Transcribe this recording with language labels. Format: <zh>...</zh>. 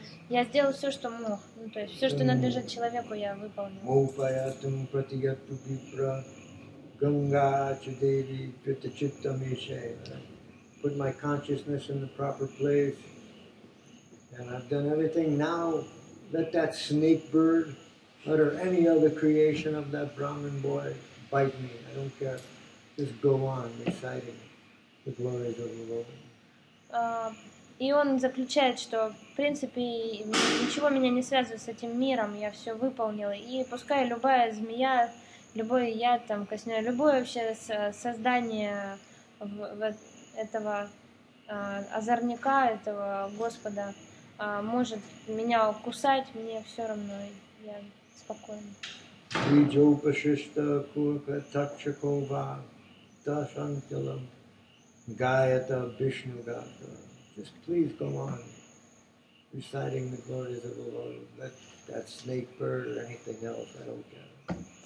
<ru>Я сделал все, что мог. Ну, то есть все, что надлежит человеку, я выполнил.</ru> <en>Put my consciousness in the proper place, and I've done everything. Now, let that snake bird, or any other creation of that Brahmin boy, bite me. I don't care. Just go on reciting the glories of the Lord.</en> <ru>И он заключает, что в принципе ничего меня не связывает с этим миром. Я все выполнил. И пускай любая змея, любой яд там коснется, любое вообще создание в этого озорника, этого Господа, может меня кусать, мне все равно, я спокойна.</ru> <sa>Виджопашишта курка такчакова дашанкилам Gayata, Vishnu Gata.</sa> <en>Just please go on reciting the glories of the Lord. Let that snake bird or anything else, I don't care.</en>